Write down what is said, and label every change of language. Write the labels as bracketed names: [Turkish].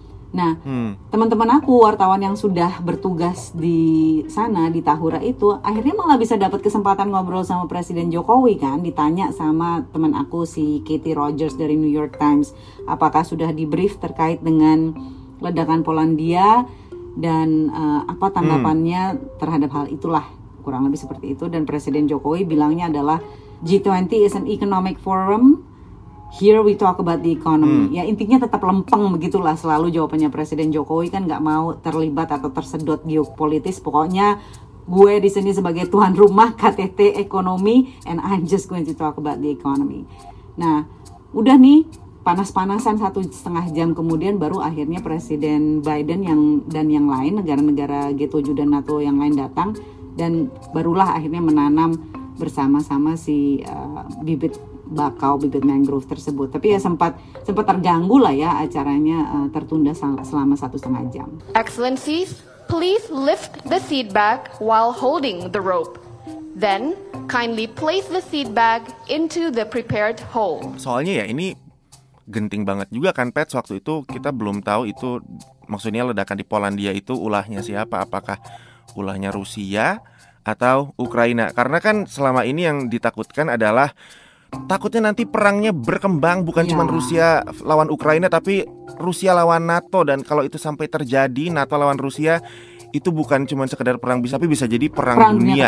[Indonesian] Nah, teman-teman aku wartawan yang sudah bertugas di sana di Tahura itu akhirnya malah bisa dapat kesempatan ngobrol sama Presiden Jokowi kan, ditanya sama teman aku si Katie Rogers dari New York Times, apakah sudah di brief terkait dengan ledakan Polandia dan apa tanggapannya terhadap hal itulah, kurang lebih seperti itu. Dan Presiden Jokowi bilangnya adalah [English] G20 is an economic forum. Here we talk about the economy. [Indonesian] Ya intinya tetap lempeng begitulah selalu jawabannya Presiden Jokowi, kan nggak mau terlibat atau tersedot geopolitis. Pokoknya gue di sini sebagai tuan rumah KTT ekonomi [English] and I'm just going to talk about the economy. [Indonesian] Nah, udah nih panas-panasan 1.5 jam kemudian baru akhirnya Presiden Biden yang dan yang lain negara-negara G7 dan NATO yang lain datang dan barulah akhirnya menanam bersama-sama si bibit bakau, bibit mangrove tersebut. Tapi ya sempat terganggu lah ya acaranya, tertunda selama 1.5 jam. [English] Excellencies, please lift the seat bag while holding the rope. Then, kindly place the seat bag into the prepared hole. [Indonesian] Soalnya ya ini genting banget juga kan Pets, waktu itu kita belum tahu itu maksudnya ledakan di Polandia itu ulahnya siapa, apakah ulahnya Rusia atau Ukraina. Karena kan selama ini yang ditakutkan adalah takutnya nanti perangnya berkembang bukan cuma Rusia lawan Ukraina tapi Rusia lawan NATO, dan kalau itu sampai terjadi NATO lawan Rusia itu bukan cuma sekedar perang bisa tapi bisa jadi perang dunia